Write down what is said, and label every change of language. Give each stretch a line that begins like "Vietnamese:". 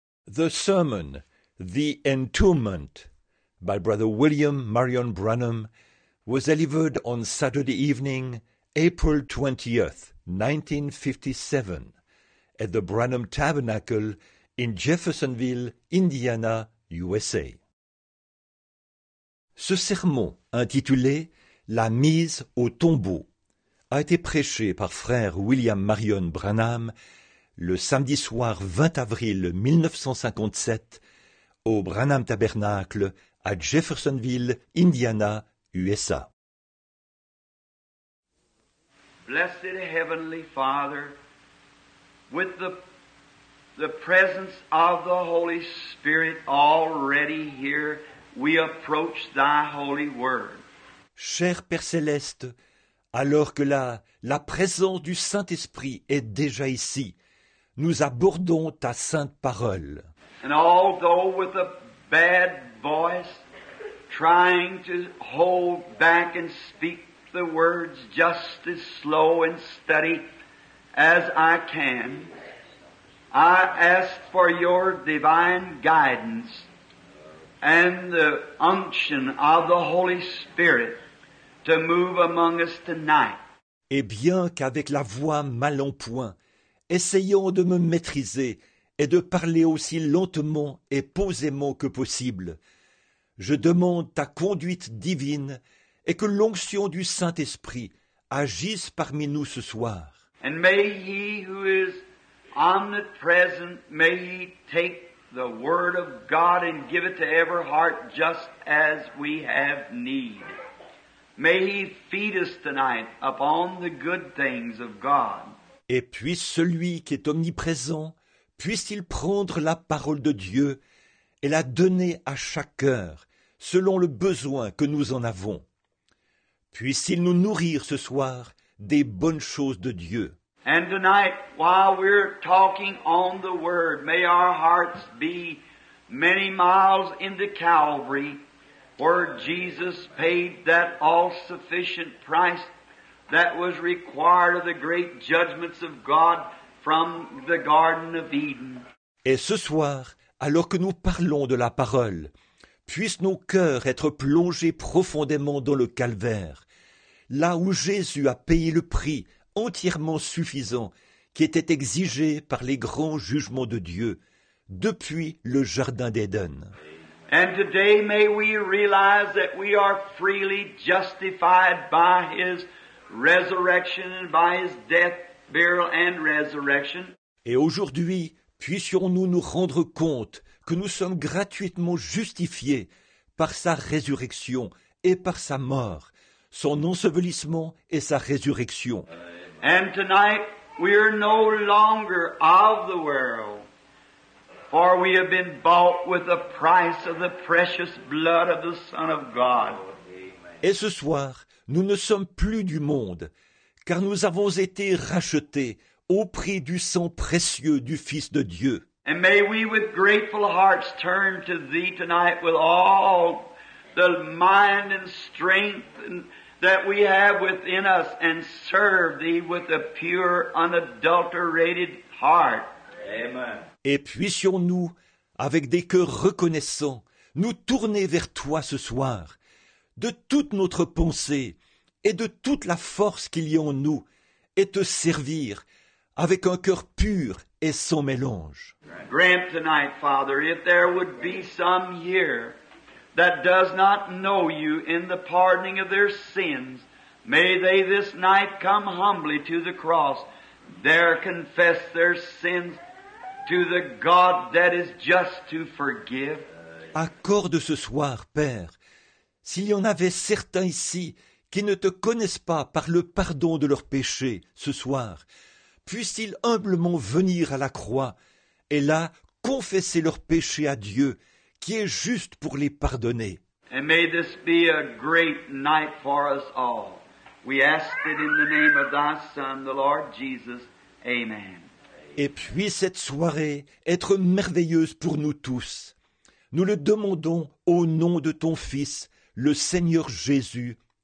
English: The Sermon, The Entombment, by Brother William Marion Branham, was delivered on Saturday evening, April 20th, 1957, at the Branham Tabernacle in Jeffersonville, Indiana, USA.
French: Ce sermon, intitulé « La mise au tombeau », a été prêché par frère William Marion Branham le samedi soir 20 avril 1957 au Branham Tabernacle à Jeffersonville, Indiana, USA.
English: Blessed Heavenly Father, with the presence of the Holy Spirit already here, we approach thy holy word.
French: Cher Père Céleste, alors que la présence du Saint-Esprit est déjà ici, nous abordons ta sainte parole.
English: And although with a bad voice, trying to hold back and speak the words just as slow and steady as I can, I ask for your divine guidance and the unction of the Holy Spirit to move among us tonight.
French: Et bien qu'avec la voix mal en point, essayons de me maîtriser et de parler aussi lentement et posément que possible. Je demande ta conduite divine et que l'onction du Saint-Esprit agisse parmi nous ce soir.
English: And may he who is omnipresent, may he take the word of God and give it to every heart just as we have need. May he feed us tonight upon the good things of God.
French: Et puisse celui qui est omniprésent, puisse-t-il prendre la parole de Dieu et la donner à chaque cœur, selon le besoin que nous en avons. Puisse-t-il nous nourrir ce soir des bonnes choses de Dieu.
English: And tonight, while we're talking on the Word, may our hearts be many miles into Calvary, where Jesus paid that all-sufficient price that was required of the great judgments of God from the Garden of Eden.
French: Et ce soir, alors que nous parlons de la parole, puissent nos cœurs être plongés profondément dans le calvaire, là où Jésus a payé le prix entièrement suffisant qui était exigé par les grands jugements de Dieu depuis le Jardin d'Éden.
English: And today may we realize that we are freely justified by his resurrection and by his death, burial, and resurrection.
French: Et aujourd'hui, puissions-nous nous rendre compte que nous sommes gratuitement justifiés par sa résurrection et par sa mort, son ensevelissement et sa résurrection.
English: And tonight, we are no longer of the world, for we have been bought with the price of the precious blood of the Son of God.
French: Et ce soir, nous ne sommes plus du monde, car nous avons été rachetés au prix du sang précieux du Fils de Dieu.
English: And may we with grateful hearts turn to thee tonight with all the mind and strength that we have within us and serve thee with a pure, unadulterated heart. Amen.
French: Et puissions-nous, avec des cœurs reconnaissants, nous tourner vers toi ce soir, de toute notre pensée et de toute la force qu'il y a en nous, et te servir avec un cœur pur et sans mélange.
English: Grant tonight, Father, if there would be some here that does not know you in the pardoning of their sins, may they this night come humbly to the cross, there confess their sins to the God that is just to forgive.
French: Accorde ce soir, Père, s'il y en avait certains ici qui ne te connaissent pas par le pardon de leurs péchés ce soir, puissent-ils humblement venir à la croix et là confesser leurs péchés à Dieu qui est juste pour les pardonner.
English: And may this be a great night for us all. We ask it in the name of thy Son, the Lord Jesus. Amen.
French: Et puisse cette soirée être merveilleuse pour nous tous. Nous le demandons au nom de ton Fils, le Seigneur Jésus.